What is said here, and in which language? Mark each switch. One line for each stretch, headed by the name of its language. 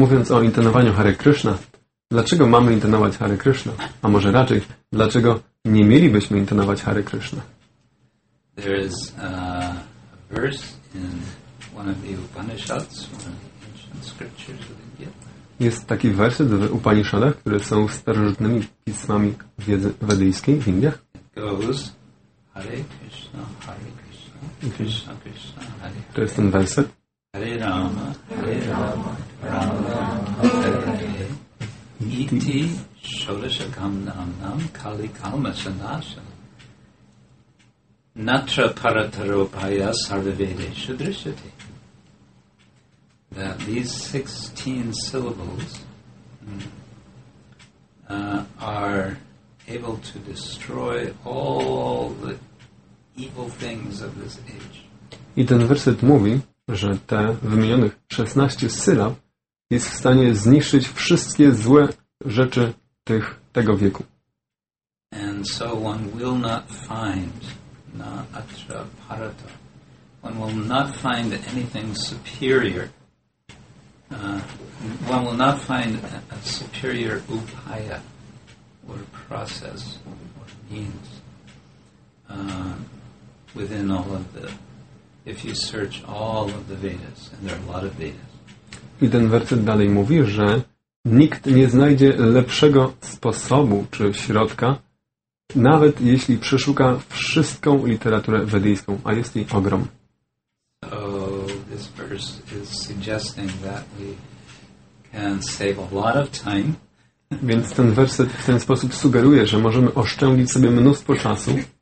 Polish: Mówiąc o intonowaniu Hare Krishna, dlaczego mamy intonować Hare Krishna? A może raczej, dlaczego nie mielibyśmy intonować Hare Krishna?
English: There is a verse in one of the Upanishads, one of the ancient scriptures of India.
Polish: Jest taki werset w Upanishadach, które są starożytnymi pismami wiedzy wedyjskiej w Indiach.
English: It goes, Hare Krishna, Hare Krishna, Krishna Krishna, Hare Hare.
Polish: To jest ten werset.
Sanskrit: Hare Rama, Hare Rama. Iti Sholashakam Namnam Kali Kalmasanasana Natra Parataropaya Sarvede Shudrishati.
English: That these 16 syllables are able to destroy all the evil things of this age.
Polish: I ten werset mówi, że te wymienionych 16 sylab jest w stanie zniszczyć wszystkie złe rzeczy tego wieku.
English: And so one will not find
Sanskrit: na atra parata.
English: One will not find anything superior. One will not find a superior upaya or process or means within all of the, if you search all of the Vedas, and there are a lot of Vedas.
Polish: I ten werset dalej mówi, że nikt nie znajdzie lepszego sposobu czy środka, nawet jeśli przeszuka wszystką literaturę wedyjską, a jest jej ogrom.
English: So, this verse is suggesting that we can save a lot of time.
Polish: Więc ten werset w ten sposób sugeruje, że możemy oszczędzić sobie mnóstwo czasu.